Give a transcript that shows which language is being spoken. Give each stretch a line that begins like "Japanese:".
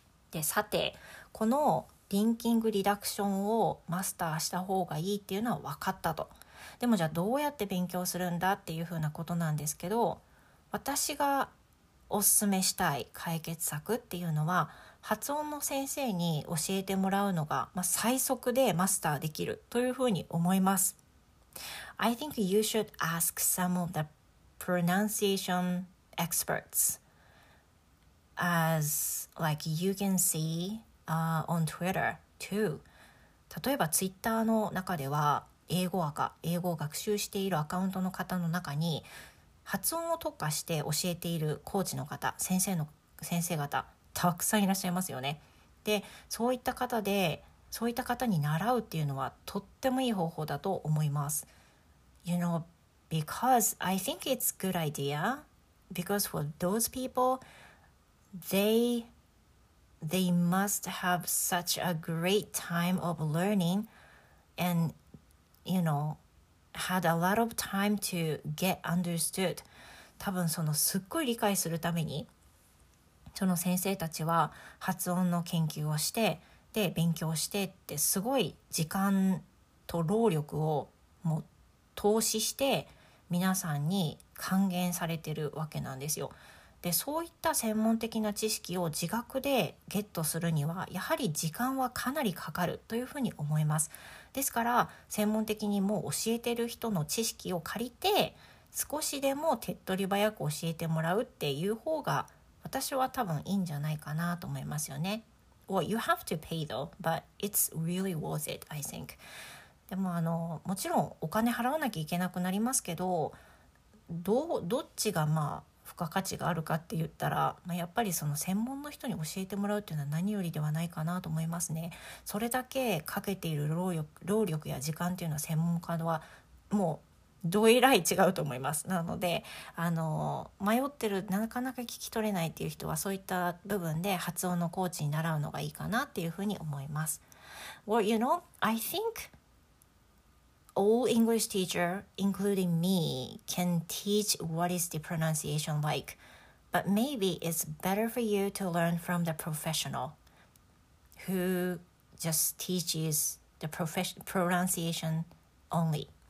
Japanese: で、さてこのリンキングリダクションをマスターした方がいいっていうのは分かったと。でもじゃあどうやって勉強するんだっていうふうなことなんですけど、私がおすすめしたい解決策っていうのは、発音の先生に教えてもらうのが、まあ、最速でマスターできるというふうに思います。
English: I think you should ask some of the pronunciation experts as like you can seeon Twitter too.
Japanese: 例えば Twitter の中では、英語アカ、英語を学習しているアカウントの方の中に発音を特化して教えているコーチの方、先生方たくさんいらっしゃいますよね。で、そういった方に習うっていうのはとってもいい方法だと思います。
English: You know, because I think it's a good idea, because for those people, they must have such a great time of learning and, you know, had a lot of time to get understood.
Japanese: 多分そのすっごい理解するために、その先生たちは発音の研究をして、で勉強してって、すごい時間と労力をもう投資して皆さんに還元されてるわけなんですよ。で、そういった専門的な知識を自学でゲットするにはやはり時間はかなりかかるというふうに思います。ですから専門的にもう教えてる人の知識を借りて少しでも手っ取り早く教えてもらうっていう方が私は多分いいんじゃないかなと思いますよね。
English: Well, you have to pay though, but it's really worth it, I think.
Japanese: でも、もちろんお金払わなきゃいけなくなりますけど、どっちがまあ付加価値があるかって言ったら、まあ、やっぱりその専門の人に教えてもらうっていうのは何よりではないかなと思いますね。それだけかけている労力や時間っていうのは専門家とはもうどえらい違うと思います。なので、迷ってる、なかなか聞き取れないっていう人は、そういった部分で発音のコーチに習うのがいいかなっていうふうに思います。
English: Well, you know, I think all English teacher, including me, can teach what is the pronunciation like, but maybe it's better for you to learn from the professional who just teaches the pronunciation only.